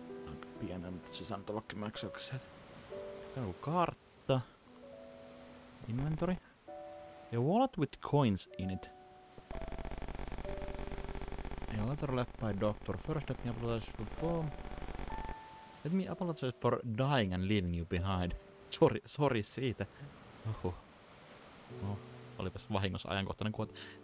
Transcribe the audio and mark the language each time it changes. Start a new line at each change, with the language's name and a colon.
Finnish: Aika pienen, mutta se saa nyt ollakin maksaa. Tää on kartta. Inventory.
English: A wallet with coins in it. letter left by doctor. First, let me apologize for bomb. Let me apologize for dying and leaving you behind.
Finnish: Sorry siitä. No, olipas vahingossa ajankohtainen kuote.